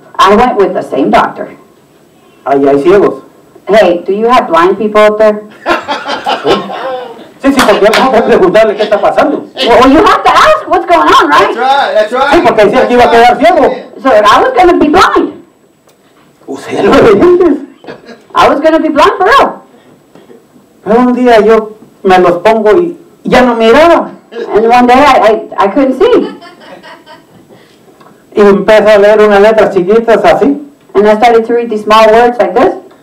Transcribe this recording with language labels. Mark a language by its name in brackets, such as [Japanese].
[English] I went with the same doctor. [Spanish] Ahí hay ciegos. [English] Hey, do you have blind people up there? [Spanish] Sí, sí, porque vamos a preguntarle qué está pasando. [English] Well, you have to ask what's going on, right? That's right. [Spanish] Sí, porque decía que iba a quedar ciego. [English] So I was going to be blind. [Spanish] usé los lentes. [English] I was going to be blind for real. [Spanish] Pero un día yo me los pongo y ya no miraba. [English] And one day I couldn't see. [Spanish] Y empecé a leer unas letras chiquitas así. [English] And I started to read these small words like this.